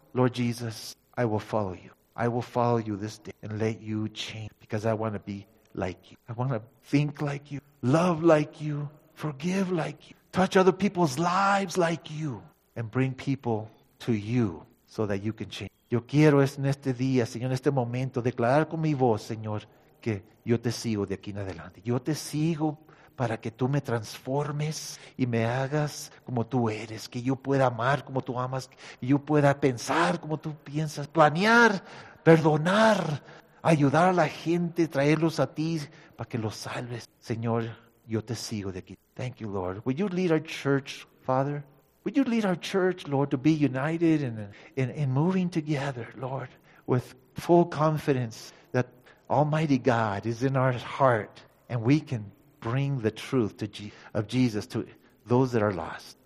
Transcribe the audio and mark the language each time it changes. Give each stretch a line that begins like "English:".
English: Lord Jesus, I will follow you. I will follow you this day and let you change because I want to be like you. I want to think like you, love like you, forgive like you, touch other people's lives like you, and bring people to you so that you can change.
Spanish: Yo quiero en este día, Señor, en este momento, declarar con mi voz, Señor, que yo te sigo de aquí en adelante. Yo te sigo para que tú me transformes y me hagas como tú eres, que yo pueda amar como tú amas, que yo pueda pensar como tú piensas, planear, perdonar, ayudar a la gente, traerlos a ti para que los salves. Señor, yo te sigo de aquí.
English: Thank you, Lord. Will you lead our church, Father? Would you lead our church, Lord, to be united and moving together, Lord, with full confidence that Almighty God is in our heart and we can bring the truth of Jesus to those that are lost.